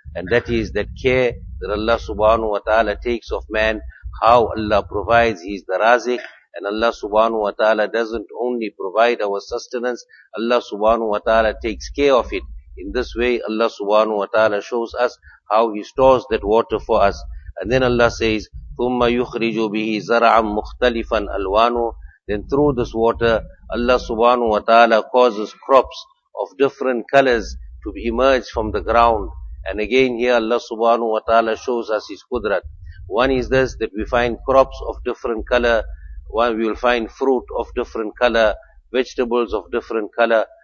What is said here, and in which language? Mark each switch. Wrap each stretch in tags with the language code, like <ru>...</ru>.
<en>And that is that care that Allah subhanahu wa ta'ala takes of man, how Allah provides. He is the Razik, and Allah subhanahu wa ta'ala doesn't only provide our sustenance, Allah subhanahu wa ta'ala takes care of it. In this way, Allah subhanahu wa ta'ala shows us how He stores that water for us. And then Allah says,</en> <ar>ثُمَّ يُخْرِجُ بِهِ زَرَعًا مُخْتَلِفًا أَلْوَانُهُ.</ar> <en>Then through this water, Allah subhanahu wa ta'ala causes crops of different colors to emerge from the ground. And again here Allah subhanahu wa ta'ala shows us His qudrat. One is this, that we find crops of different color. One, we will find fruit of different color, vegetables of different color.</en>